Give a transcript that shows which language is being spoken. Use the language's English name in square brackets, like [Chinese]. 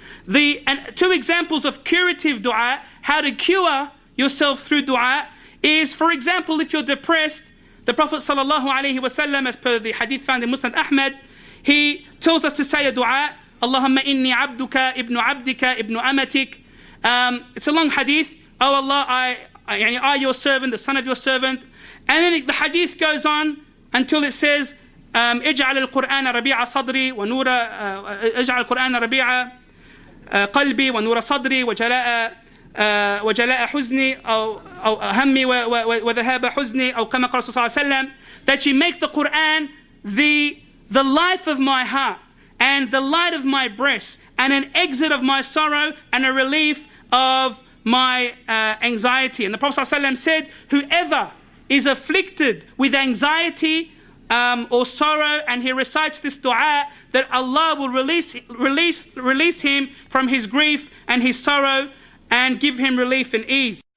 [English] And two examples of curative dua, how to cure yourself through dua, is, for example, if you're depressed, the Prophet sallallahu alayhi wa sallam, as per the hadith found in Musnad Ahmad, he tells us to say a dua, [Arabic] Allahumma inni abduka ibn abdika ibn amatik. [English] It's a long hadith. Oh Allah, I are your servant, the son of your servant. And then the hadith goes on until it says, [Arabic] اجعل القرآن ربيع صدري ونور اجعل القرآن ربيع قلبي ونور صدري وجلاء حزني أو همي وذهاب حزني أو كما قال صلى الله عليه وسلم. [English] That you make the Quran the life of my heart and the light of my breast and an exit of my sorrow and a relief of my anxiety. And the Prophet [Arabic] صلى الله عليه وسلم [English] said, whoever is afflicted with anxiety or sorrow, and he recites this dua, that Allah will release him from his grief and his sorrow and give him relief and ease.